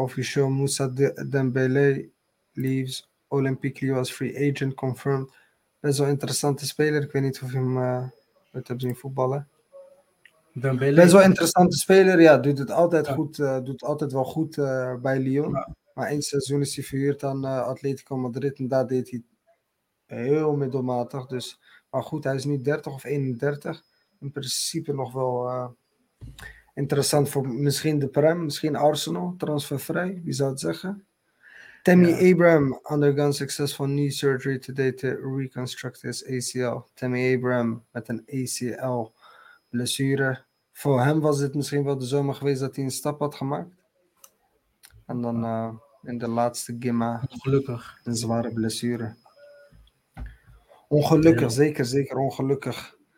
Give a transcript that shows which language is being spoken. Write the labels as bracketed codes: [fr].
[nl] Officieel [en] Moussa Dembélé leaves Olympic Lyon as free agent confirmed. [nl] Best wel een interessante speler. Ik weet niet of je hem ooit hebt zien voetballen. Best wel een interessante speler. Ja, doet het altijd goed. Doet altijd wel goed bij Lyon. Ja. Maar één seizoen is hij verhuurd aan Atletico Madrid. En daar deed hij heel middelmatig. Dus. Maar goed, hij is nu 30 of 31. In principe nog wel interessant voor misschien de Prem. Misschien Arsenal. Transfervrij. Wie zou het zeggen? [en] Tammy Abraham undergone successful knee surgery today to reconstruct his ACL. [nl] Tammy Abraham met een ACL blessure. Voor hem was het misschien wel de zomer geweest dat hij een stap had gemaakt. En dan in de laatste gimma. Ongelukkig. Een zware blessure. Ongelukkig, zeker ongelukkig.